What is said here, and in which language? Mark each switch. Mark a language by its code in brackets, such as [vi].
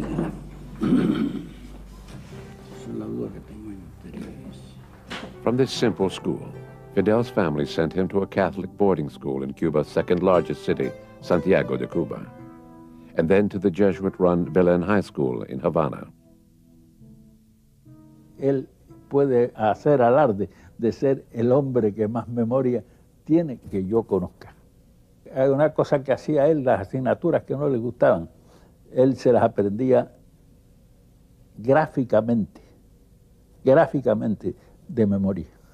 [es] Esa es la duda que tengo entre ellos. [en] From this simple school, Fidel's family sent him to a Catholic boarding school in Cuba's second largest city, Santiago de Cuba, and then to the Jesuit-run Belen High School in Havana. [es] Él puede hacer alarde de ser el hombre que más memoria tiene que yo conozca. Hay una cosa que hacía él, las asignaturas que no le gustaban, él se las aprendía gráficamente, gráficamente de memoria.